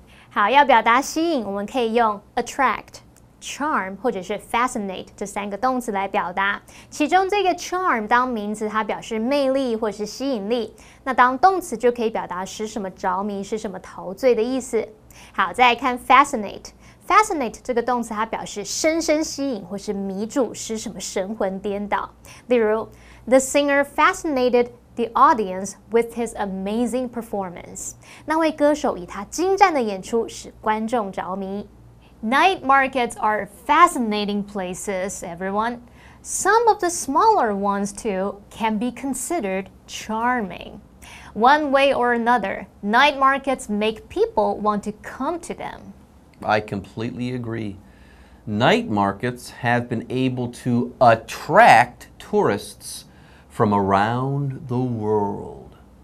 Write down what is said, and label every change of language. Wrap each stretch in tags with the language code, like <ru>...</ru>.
<zh>好，要表达吸引，我们可以用 attract. Charm 或者是 fascinate 这三个动词来表达，其中这个 charm 当名词，它表示魅力或是吸引力；那当动词就可以表达使什么着迷，使什么陶醉的意思。好，再来看 fascinate 这个动词，它表示深深吸引或是迷住，使什么神魂颠倒。</zh> <en>例如，The singer fascinated the audience with his amazing performance。</en> <zh>那位歌手以他精湛的演出使观众着迷。</zh> <en>Night markets are fascinating places, everyone. Some of the smaller ones, too, can be considered charming. One way or another, night markets make people want to come to them. I completely agree. night markets have been able to attract tourists from around the world.</en>